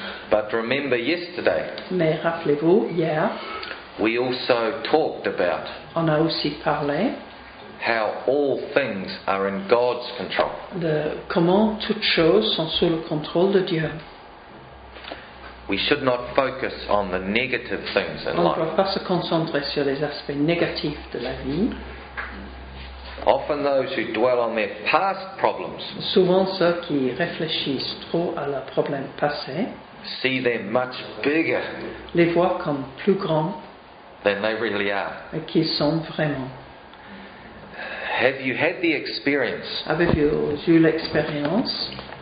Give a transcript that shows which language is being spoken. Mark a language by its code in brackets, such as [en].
[en] But remember yesterday. [fr] Mais rappelez-vous hier. [en] We also talked about [fr] on a aussi parlé [en] how all things are in God's control. [fr] Comment toutes choses sont sous le contrôle de Dieu. [en] We should not focus on the negative things in life. [fr] On ne doit pas se concentrer sur les aspects négatifs de la vie. [en] Often those who dwell on their past problems, [fr] souvent ceux qui réfléchissent trop à leurs problèmes passés, [en] see them much bigger, [fr] les voient comme plus grands. [en] Than they really are. [fr] Et qu'ils sont vraiment. [en] Have you had the experience? [fr] Avez-vous eu l'expérience?